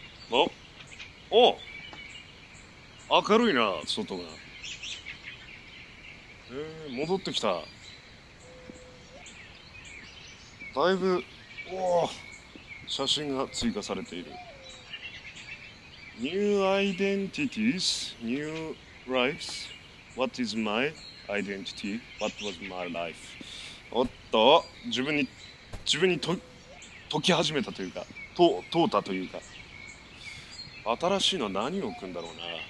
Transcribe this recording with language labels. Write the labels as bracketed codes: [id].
[ja] お、お、明るいな、外が。戻ってきた。だいぶ、お、写真が追加されている。 [en] New identities, new lives. What is my identity? What was my life? [ja] おっと、自分に解き始めたというか、通ったというか、新しいのは何を置くんだろうな。